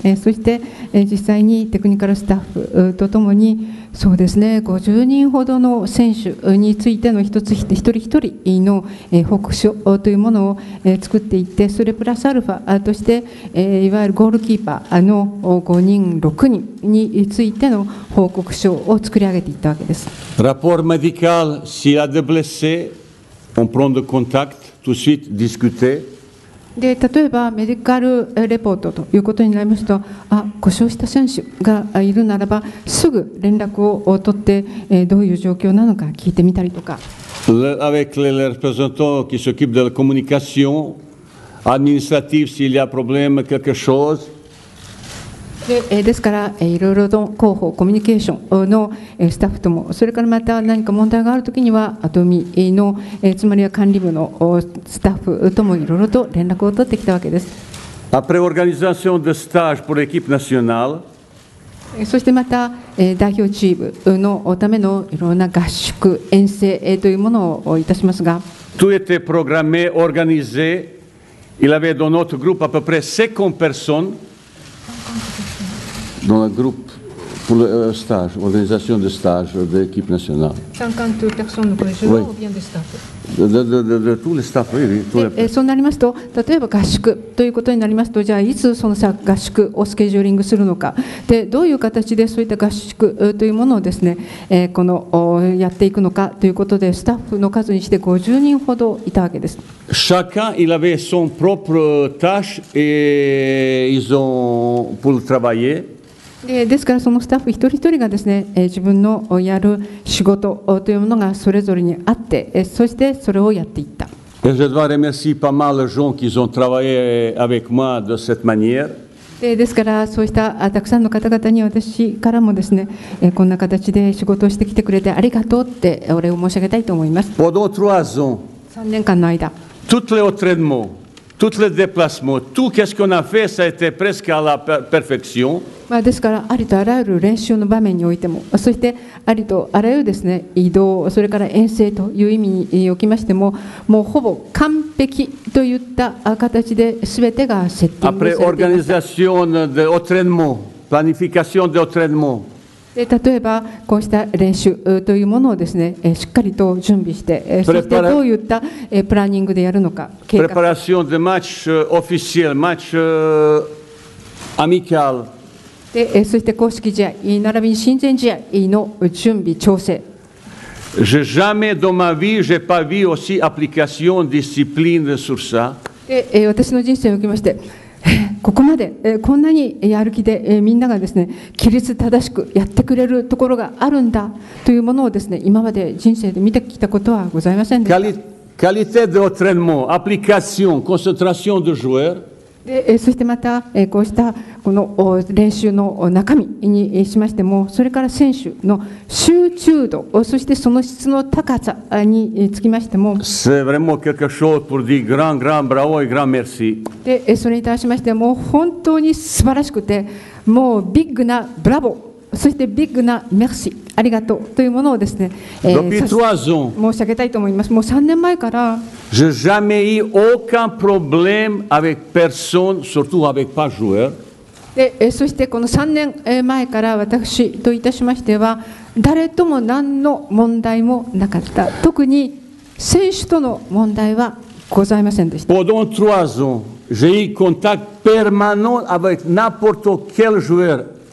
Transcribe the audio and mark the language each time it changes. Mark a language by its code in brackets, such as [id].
[ja] そして実際にテクニカルスタッフとともに、そうですね、50人ほどの選手についての一つ一人一人の報告書というものを作っていって、それプラスアルファとしていわゆるゴールキーパーの5人6人についての報告書を作り上げていったわけです。 [fr] ラポールメディカルシアで blessé, on prend de contact, tout de suite discuter. [ja] で、例えばメディカルレポートということになりますと、あ、故障した選手がいるならば、すぐ連絡を取って、どういう状況なのか聞いてみたりとか。 [fr] Avec les représentants qui s'occupent de la communication, administrative, s'il y a problème, quelque chose. [ja] ですから、いろいろと広報コミュニケーションのスタッフとも、それからまた何か問題があるときにはアドミの、つまりは管理部のスタッフともいろいろと連絡を取ってきたわけです。 [fr] Après organisation de stage pour l'équipe nationale、 [ja] そしてまた代表チームのためのいろんな合宿遠征というものをいたしますが、 [fr] Tout était programmé, organisé. Il avait dans notre groupe à peu près 50 personnesDans le groupe pour le stage, organisation de stage de l'équipe nationale. 50 personnes, oui, je vois, ou bien des staffs. De tous les staffs, oui, oui. Tous les staffs. [ja] そうなりますと、例えば合宿ということになりますと、じゃあいつその合宿をスケジューリングするのか、でどういう形でそういった合宿というものをですね、このやっていくのかということで、スタッフの数にして50人ほどいたわけです。 [fr] Chacun il avait son propre tâche et ils ont pour travailler. [ja] ですからそのスタッフ一人一人がですね、自分のやる仕事というものがそれぞれにあって、そしてそれをやっていった。 [fr] Et je dois remercier pas mal les gens qui ont travaillé avec moi de cette manière. [ja] ですからそうしたたくさんの方々に私からもですね、こんな形で仕事をしてきてくれてありがとうってお礼を申し上げたいと思います。 [fr] Pendant trois ans, [ja] 3年間の間、 [fr] tous les entraînements,Toutes les déplacements, tout qu'est-ce qu'on a fait, ça a été presque à la perfection. [ja] まあですから、ありとあらゆる練習の場面においても、そしてありとあらゆるですね、移動、それから遠征という意味におきましても、もうほぼ完璧といった形で全てがセッティングされています。 [fr] Après organisation de entraînement, planification de entraînement. [ja] で例えばこうした練習というものをですね、しっかりと準備して、そしてどういったプランニングでやるのか、計画。 [fr] Préparation de match officiel, match amical. [ja] で、そして公式試合並びに親善試合の準備調整。 [fr] J'ai jamais dans ma vie, j'ai pas vu aussi application discipline sur ça. [ja] で、私の人生におきまして。ここまで、こんなにやる気で、みんながですね、規律正しくやってくれるところがあるんだというものをですね、今まで人生で見てきたことはございませんでした。 [fr] Qualité de entraînement, application, concentration de joueurs. [ja] で、そしてまた、こうしたこの練習の中身にしましても、それから選手の集中度、そしてその質の高さにつきましても、 [fr] C'est vraiment quelque chose pour dire grand, grand bravo et grand merci。 [ja] で、それに対しましても、本当に素晴らしくて、もうビッグなブラボー、そしてビッグなメッシー、ありがとうというものをですね、 [fr] Depuis trois ans, [ja] 申し上げたいと思います。もう3年前から、 [fr] Je n'ai jamais eu aucun problème avec personne, surtout avec pas joueur. [ja] で、そしてこの3年前から私といたしましては誰とも何の問題もなかった。特に選手との問題はございませんでした。 [fr] Pendant trois ans, j'ai eu contact permanent avec n'importe quel joueur.